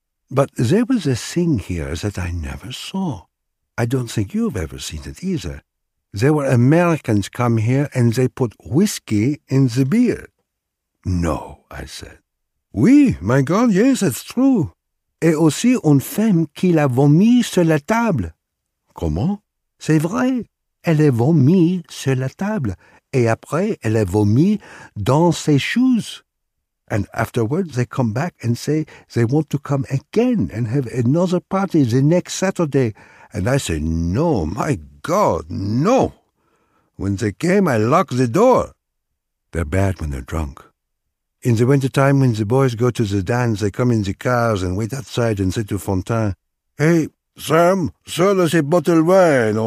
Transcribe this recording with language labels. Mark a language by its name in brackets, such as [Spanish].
[English] But there was a thing here that I never saw. I don't think you've ever seen it either. There were Americans come here and they put whiskey in the beer. No, I said. Oui, my God, yes, it's true. [French] Et aussi une femme qui l'a vomi sur la table. Comment? C'est vrai. Elle a vomi sur la table. Et après, elle a vomi dans ses shoes. [English] And afterwards, they come back and say they want to come again and have another party the next Saturday. And I say, no, my God, no. When they came, I lock the door. They're bad when they're drunk. In the wintertime, when the boys go to the dance, they come in the cars and wait outside and say to Fontaine, hey, Sam, sell us a bottle of wine.